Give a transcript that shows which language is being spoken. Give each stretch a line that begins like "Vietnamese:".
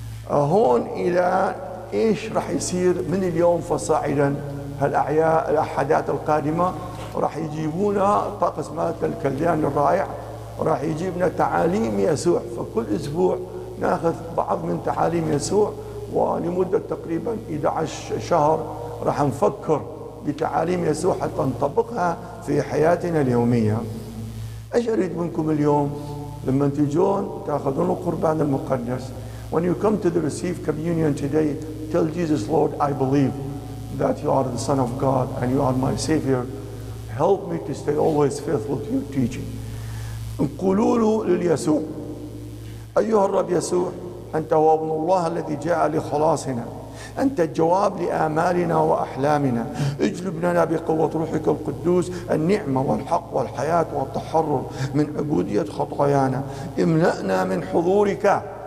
Arabic: هون إلى إيش رح يصير من اليوم فصاعدا؟ هالأعياء الأحادات القادمة رح يجيبونا طقس مات الكلدان الرائع، رح يجيبنا تعاليم يسوع، فكل أسبوع ناخذ بعض من تعاليم يسوع، ولمدة تقريبا 11 شهر رح نفكر بتعاليم يسوع حتى نطبقها في حياتنا اليومية. ايش اريد منكم اليوم؟ لما تجون تاخذون القربان المقدس.
English: When you come to the receive communion today, tell Jesus, Lord, I believe that you are the Son of God and you are my Savior. Help me to stay always faithful to your teaching.
Arabic: نقولوا لليسوع، أيها الرب يسوع، أنت هو ابن الله الذي جاء لخلاصنا، أنت الجواب لآمالنا وأحلامنا، اجلب لنا بقوة روحك القدوس النعمة والحق والحياة والتحرر من عبودية خطايانا، املأنا من حضورك.